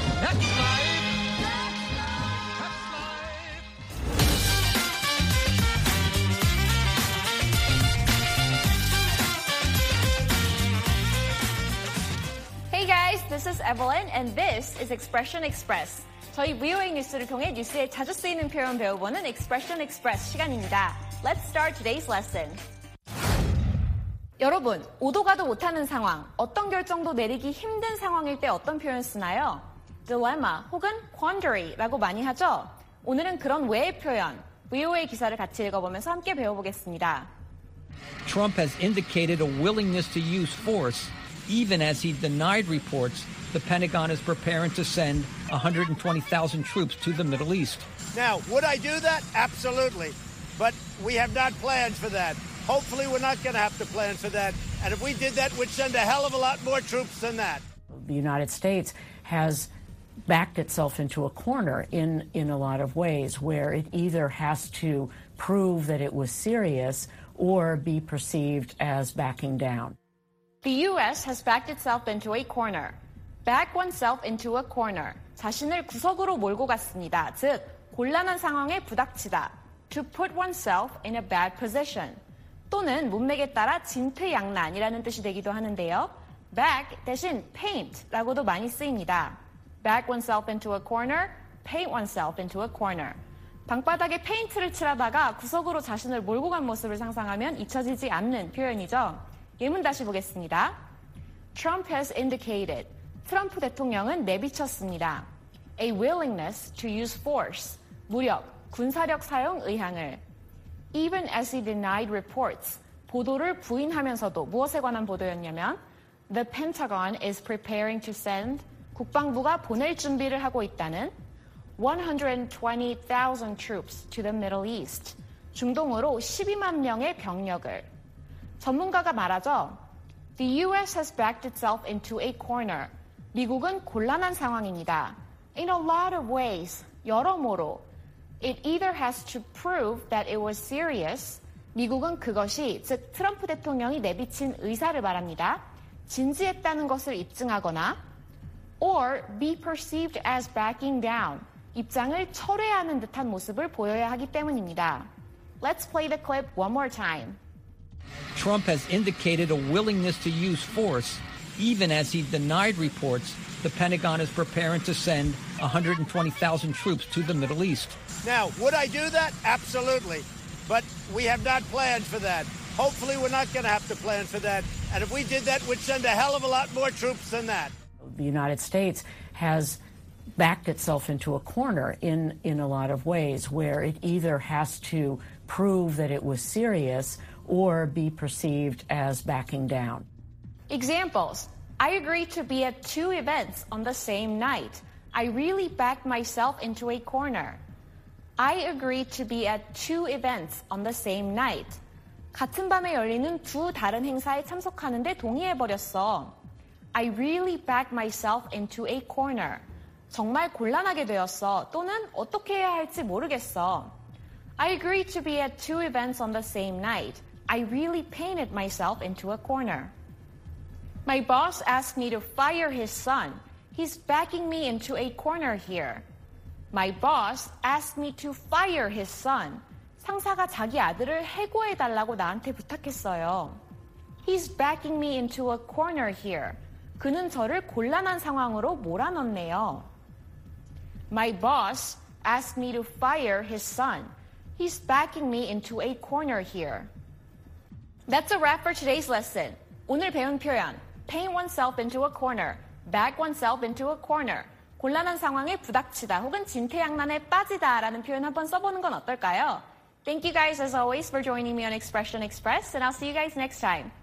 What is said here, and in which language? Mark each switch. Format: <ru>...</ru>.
<en>That's life. That's life. That's life. Evelyn, and this is Expression Express.</en> <ko>저희 VOA 뉴스를 통해 뉴스에 자주 쓰이는 표현 배워보는 Expression Express 시간입니다.</ko> <en>Let's start today's lesson.</en> <ko>여러분, 오도 가도 못하는 상황, 어떤 결정도 내리기 힘든 상황일 때 어떤 표현 쓰나요? Dilemma 혹은 quandary라고 많이 하죠? 오늘은 그런 외의 표현, VOA 기사를 같이 읽어보면서 함께 배워보겠습니다.</ko> <en>Trump has indicated a willingness to use force even as he denied reports the Pentagon is preparing to send 120,000 troops to the Middle East. Now, would I do that? Absolutely. But we have not planned for that. Hopefully, we're not going to have to plan for that. And if we did that, we'd send a hell of a lot more troops than that. The United States has backed itself into a corner in a lot of ways where it either has to prove that it was serious or be perceived as backing down. The U.S. has backed itself into a corner. Back oneself into a corner.</en> <ko>자신을 구석으로 몰고 갔습니다. 즉, 곤란한 상황에 부닥치다.</ko> <en>To put oneself in a bad position.</en> <ko>또는 문맥에 따라 진퇴양난이라는 뜻이 되기도 하는데요. Back 대신 paint라고도 많이 쓰입니다.</ko> <en>Back oneself into a corner, paint oneself into a corner.</en> <ko>방바닥에 페인트를 칠하다가 구석으로 자신을 몰고 간 모습을 상상하면 잊혀지지 않는 표현이죠. 예문 다시 보겠습니다.</ko> <en>Trump has indicated.</en> <ko>트럼프 대통령은 내비쳤습니다.</ko> <en>A willingness to use force.</en> <ko>무력, 군사력 사용 의향을.</ko> <en>Even as he denied reports.</en> <ko>보도를 부인하면서도 무엇에 관한 보도였냐면</ko> <en>The Pentagon is preparing to send.</en> <ko>국방부가 보낼 준비를 하고 있다는.</ko> <en>120,000 troops to the Middle East.</en> <ko>중동으로 12만 명의 병력을. 전문가가 말하죠.</ko> <en>The U.S. has backed itself into a corner.</en> <ko>미국은 곤란한 상황입니다.</ko> <en>In a lot of ways,</en> <ko>여러모로.</ko> <en>It either has to prove that it was serious.</en> <ko>미국은 그것이, 즉 트럼프 대통령이 내비친 의사를 말합니다. 진지했다는 것을 입증하거나.</ko> <en>Or be perceived as backing down.</en> <ko>입장을 철회하는 듯한 모습을 보여야 하기 때문입니다.</ko> <en>Let's play the clip one more time. Trump has indicated a willingness to use force even as he denied reports the Pentagon is preparing to send 120,000 troops to the Middle East. Now, would I do that? Absolutely. But we have not planned for that. Hopefully, we're not going to have to plan for that. And if we did that, we'd send a hell of a lot more troops than that. The United States has backed itself into a corner in a lot of ways where it either has to prove that it was serious or be perceived as backing down. Examples. I agreed to be at two events on the same night. I really backed myself into a corner. I agreed to be at two events on the same night.</en> <ko>같은 밤에 열리는 두 다른 행사에 참석하는데 동의해버렸어.</ko> <en>I really backed myself into a corner.</en> <ko>정말 곤란하게 되었어. 또는 어떻게 해야 할지 모르겠어.</ko> <en>I agreed to be at two events on the same night. I really painted myself into a corner. My boss asked me to fire his son. He's backing me into a corner here. My boss asked me to fire his son.</en> <ko>상사가 자기 아들을 해고해달라고 나한테 부탁했어요.</ko> <en>He's backing me into a corner here.</en> <ko>그는 저를 곤란한 상황으로 몰아넣네요.</ko> <en>My boss asked me to fire his son. He's backing me into a corner here. That's a wrap for today's lesson.</en> <ko>오늘 배운 표현,</ko> <en>paint oneself into a corner,</en> <ko>back oneself into a corner, 곤란한 상황에 부닥치다 혹은 진퇴양난에 빠지다 라는 표현 한번 써보는 건 어떨까요?</ko> <en>Thank you guys as always for joining me on Expression Express and I'll see you guys next time.</en>